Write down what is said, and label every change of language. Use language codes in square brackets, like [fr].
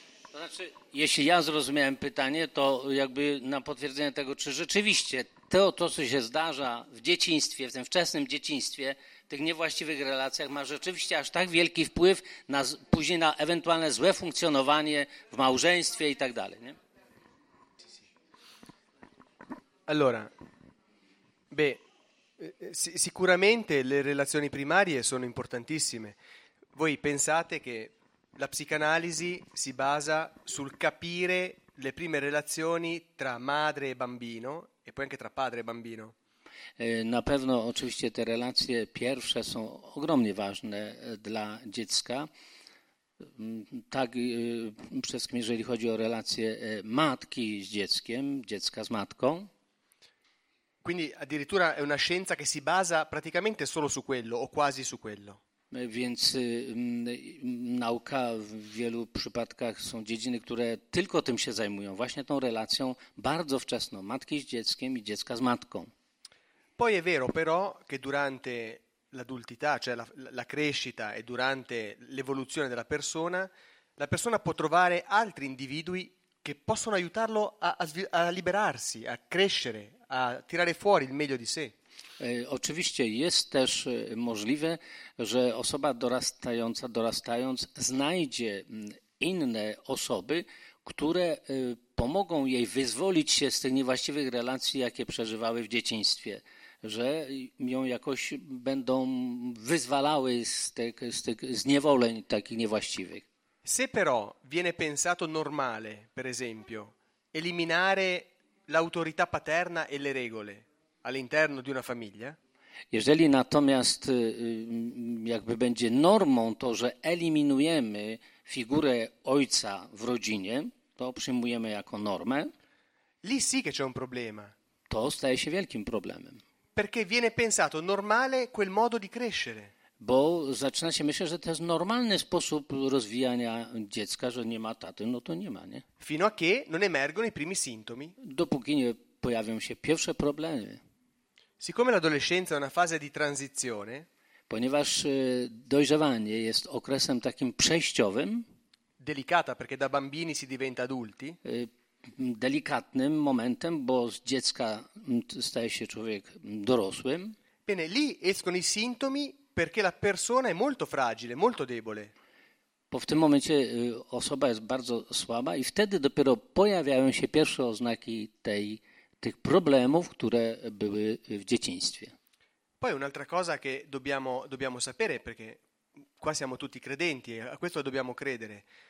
[pl] Znaczy, jeśli ja zrozumiałem pytanie, to jakby na potwierdzenie tego, czy rzeczywiście to, co się zdarza w dzieciństwie, w tym wczesnym dzieciństwie, w tych niewłaściwych relacjach, ma rzeczywiście aż tak wielki wpływ na, później na ewentualne złe funkcjonowanie w małżeństwie i tak dalej, nie? [it] Allora, beh, sicuramente le relazioni primarie sono importantissime. Voi pensate che la psicanalisi si basa sul capire le prime relazioni tra madre e bambino e poi anche tra padre e bambino. [pl] Na pewno oczywiście te relacje pierwsze są ogromnie ważne dla dziecka. Tak przede wszystkim jeżeli chodzi o relacje matki z dzieckiem, dziecka z matką. [it] Quindi addirittura è una scienza che si basa praticamente solo su quello o quasi su quello. [pl] Więc nauka w wielu przypadkach są dziedziny, które tylko tym się zajmują, właśnie tą relacją bardzo wczesną matki z dzieckiem i dziecka z matką. [it] Poi è vero però che durante l'adultità, cioè la crescita e durante l'evoluzione della persona può trovare altri individui che possono aiutarlo a liberarsi, a crescere, a tirare fuori il meglio di sé. [pl] Oczywiście jest też możliwe, że osoba dorastając, znajdzie inne osoby, które pomogą jej wyzwolić się z tych niewłaściwych relacji, jakie przeżywały w dzieciństwie, że ją jakoś będą wyzwalały z tych zniewoleń takich niewłaściwych. [it] Se però viene pensato normale, per esempio, eliminare l'autorità paterna e le regole all'interno di una famiglia, [pl] jeżeli natomiast jakby będzie normą to, że eliminujemy figurę ojca w rodzinie, to przyjmujemy jako normę. [it] Lì sì che c'è un problema. [pl] To staje się wielkim problemem. [it] Perché viene pensato normale quel modo di crescere. [pl] Bo zaczyna się myśleć, że to jest normalny sposób rozwijania dziecka, że nie ma taty, no to nie ma, nie? [it] Fino a che non emergono i primi sintomi. [pl] Dopóki nie pojawią się pierwsze problemy. [it] Siccome l'adolescenza è una fase di transizione, [pl] ponieważ dojrzewanie jest okresem takim przejściowym, [it] delicata perché da bambini si diventa adulti, [pl] delikatnym momentem, bo z dziecka staje się człowiek dorosłym. [it] Bene, lì escono i sintomi perché la persona è molto fragile, molto debole. [pl] Bo w tym momencie osoba jest bardzo słaba i wtedy dopiero pojawiają się pierwsze oznaki tych problemów, które były w dzieciństwie. [it] Poi un'altra cosa che dobbiamo sapere, perché qua siamo tutti credenti, a questo dobbiamo credere.